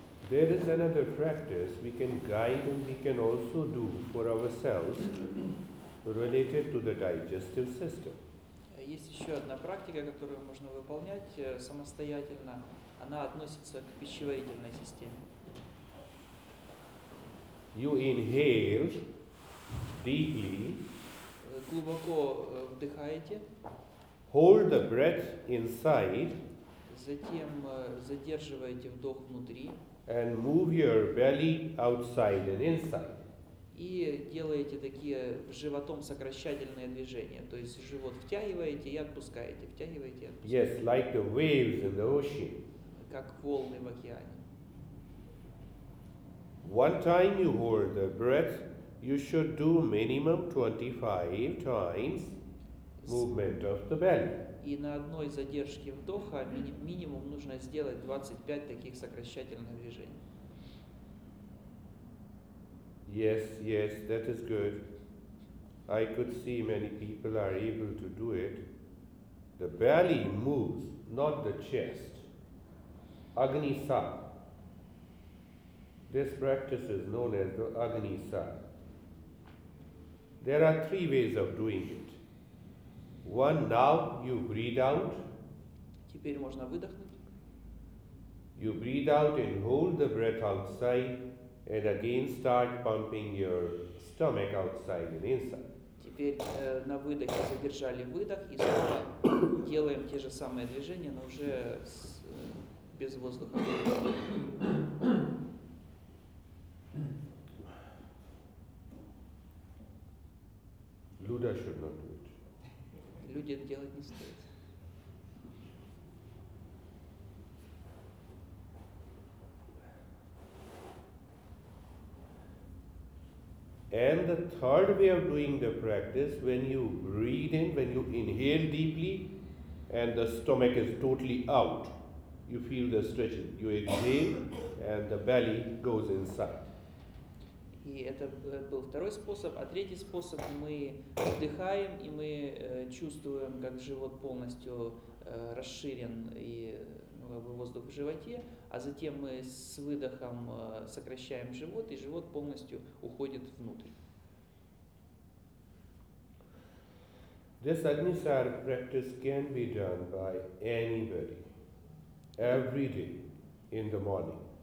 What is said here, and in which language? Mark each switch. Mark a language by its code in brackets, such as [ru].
[en] There is another practice we can guide and we can also do for ourselves related to the digestive system. [ru] Есть еще одна практика, которую можно выполнять самостоятельно. Она относится к пищеварительной системе. [en] You inhale deeply. [ru] Глубоко вдыхаете. [en] Hold the breath inside. [ru] Затем задерживаете вдох внутри. [en] And move your belly outside and inside. [ru] И делаете такие животом сокращательные движения. То есть живот втягиваете и отпускаете, втягиваете и отпускаете. [en] Yes, like the waves in the ocean. [ru] Как волны в океане. [en] One time you hold the breath, you should do minimum 25 times movement of the belly. [ru] И на одной задержке вдоха минимум нужно сделать 25 таких сокращательных движений. [en] Yes, yes, that is good. I could see many people are able to do it. The belly moves, not the chest. Agni Sa. This practice is known as the Agni Sa. There are three ways of doing it. One, now you breathe out. [ru] Теперь можно выдохнуть. [en] You breathe out and hold the breath outside. And again start pumping your stomach outside and inside. [ru] Теперь на выдохе задержали выдох и снова делаем те же самые движения, но уже без воздуха. Люди [en] should not do it. [ru] Люди это делать не стоит. [en] And the third way of doing the practice, when you breathe in, when you inhale deeply, and the stomach is totally out, you feel the stretching. You inhale, and the belly goes inside. [ru] И это был второй способ, а третий способ мы вдыхаем и мы чувствуем, как живот полностью расширен и воздух в животе, а затем мы с выдохом сокращаем живот, и живот полностью уходит внутрь. [en] This Agnisar practice can be done by anybody, every day, in the morning.